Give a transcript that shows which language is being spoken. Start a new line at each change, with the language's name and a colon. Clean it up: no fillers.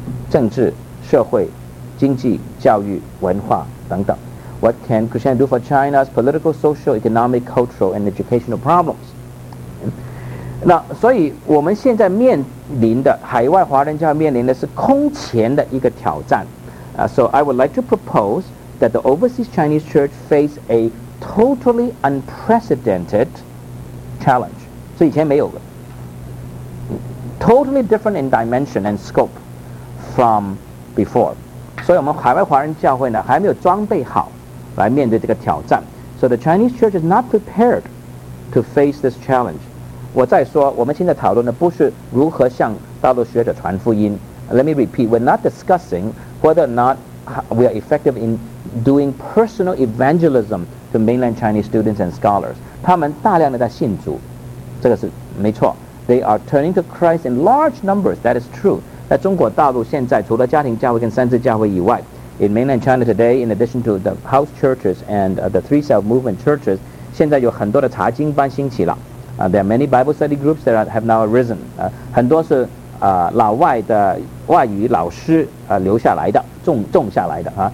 Chinese: 政治、社会、经济、教育、文化等等。
English: What can Christianity do for China's political, social, economic, cultural, and educational problems?
Chinese: 那所以我们现在面临的海外华人教面临的是空前的一个挑战。
English: So I would like to propose that the overseas Chinese church face a totally unprecedented challenge.
Chinese: 所以以前没有的。
English: Totally different in dimension and scope from before.
Chinese: 所以我们海外华人教会呢还没有装备好来面对这个挑战。
English: So the Chinese church is not prepared to face this challenge.
Chinese: 我再说我们现在讨论的不是如何向大陆学者传福音。
English: Let me repeat, we're not discussing whether or not we are effective in doing personal evangelism to mainland Chinese students and scholars.
Chinese: 他们大量的在信主，这个是没错。
English: They are turning to Christ in large numbers. That is true.
Chinese: 在中国大陆现在除了家庭教会跟三自教会以外
English: in mainland China today, in addition to the house churches and the three self-movement churches,
Chinese: 现在有很多的查经班兴起了。
English: There are many Bible study groups that have now arisen.
Chinese: 很多是老外的外语老师留下来的，种下来的。